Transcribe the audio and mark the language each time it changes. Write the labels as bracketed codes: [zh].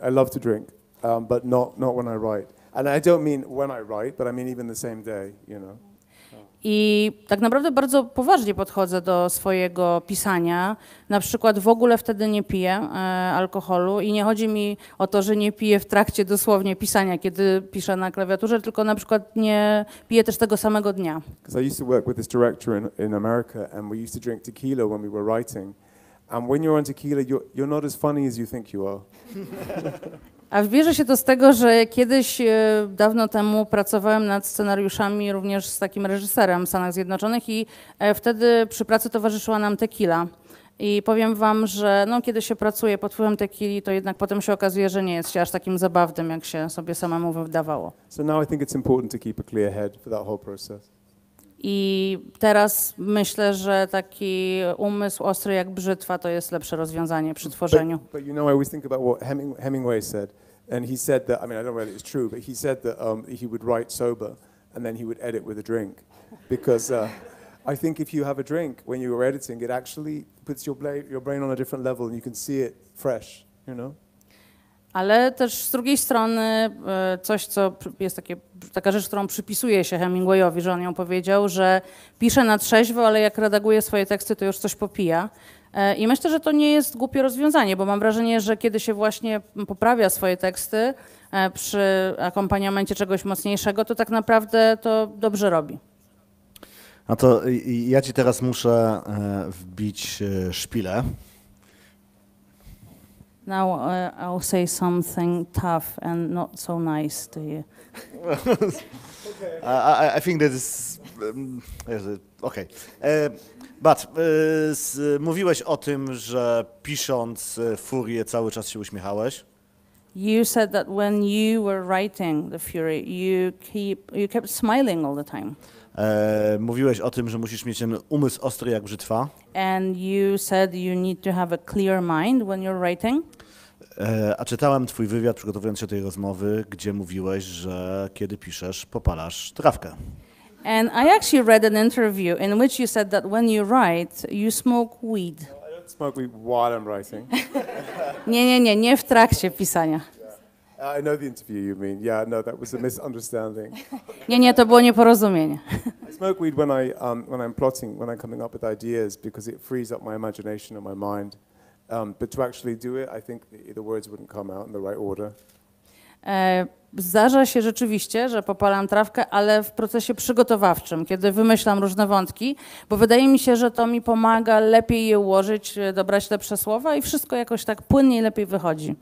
[en] I love to drink, but not when I write. And I don't mean when I write, but I mean even the same day, you know. [pl] I tak naprawdę bardzo poważnie podchodzę do swojego pisania. Na przykład w ogóle wtedy nie piję alkoholu i nie chodzi mi o to, że nie piję w trakcie dosłownie pisania, kiedy piszę na klawiaturze, tylko na przykład nie piję też tego samego dnia. [en] Because I used to work with this director in America and we used to drink tequila when we were writing. And when you're on tequila, you're not as funny as you think you are. [pl] A bierze się to z tego, że kiedyś, dawno temu, pracowałem nad scenariuszami również z takim reżyserem w Stanach Zjednoczonych i wtedy przy pracy towarzyszyła nam tequila. I powiem wam, że no, kiedy się pracuje pod wpływem tequili, to jednak potem się okazuje, że nie jest się aż takim zabawnym, jak się sobie samemu wydawało. [en] So now I think it's important to keep a clear head for that whole process. [pl] I teraz myślę, że taki umysł ostry jak brzytwa to jest lepsze rozwiązanie przy tworzeniu. [en] But you know, I always think about what Hemingway said, and he said that, I mean, I don't know whether it's true, but he said that he would write sober and then he would edit with a drink. Because I think if you have a drink when you are editing, it actually puts your brain on a different level and you can see it fresh, you know? [pl] Ale też z drugiej strony coś, co jest taka rzecz, którą przypisuje się Hemingwayowi, że on ją powiedział, że pisze na trzeźwo, ale jak redaguje swoje teksty, to już coś popija. I myślę, że to nie jest głupie rozwiązanie, bo mam wrażenie, że kiedy się właśnie poprawia swoje teksty przy akompaniamencie czegoś mocniejszego, to tak naprawdę to dobrze robi. No to ja ci teraz muszę wbić szpilę. [en] Now I'll say something tough and not so nice to you. I think that is okay. [pl] But mówiłeś o tym, że pisząc Furię cały czas się uśmiechałeś. [en] You said that when you were writing the Fury, you kept smiling all the time. [pl] Mówiłeś o tym, że musisz mieć ten umysł ostry jak brzytwa. [en] And you said you need to have a clear mind when you're writing. [pl] A czytałem twój wywiad, przygotowując się do tej rozmowy, gdzie mówiłeś, że kiedy piszesz, popalasz trawkę. [en] And I actually read an interview in which you said that when you write, you smoke weed. No, I don't smoke weed while I'm writing. [pl] Nie, nie, nie, nie w trakcie pisania. [en] I know the interview you mean. Yeah, no, that was a misunderstanding. [pl] Nie, nie, to było nieporozumienie. [en] I smoke weed when I'm plotting, when I'm coming up with ideas, because it frees up my imagination and my mind. But to actually do it, I think the words wouldn't come out in the right order. [pl] Zdarza się rzeczywiście, że popalam trawkę, ale w procesie przygotowawczym, kiedy wymyślam różne wątki, bo wydaje mi się, że to mi pomaga lepiej je ułożyć, dobrać lepsze słowa i wszystko jakoś tak płynnie i lepiej wychodzi.